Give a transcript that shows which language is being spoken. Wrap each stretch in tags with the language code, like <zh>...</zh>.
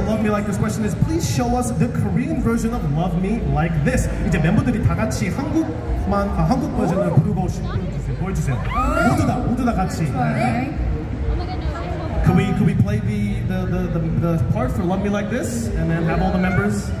<en>like this question is please show us the Korean version of Love Me Like This.</en> <ko>이제 멤버들이 다 같이 한국만 아, 한국 버전을 부르고 싶으세요. 보여주세요. 모두 다 같이.</ko> <en>could we play the part for Love Me Like This and then have all the members?</en>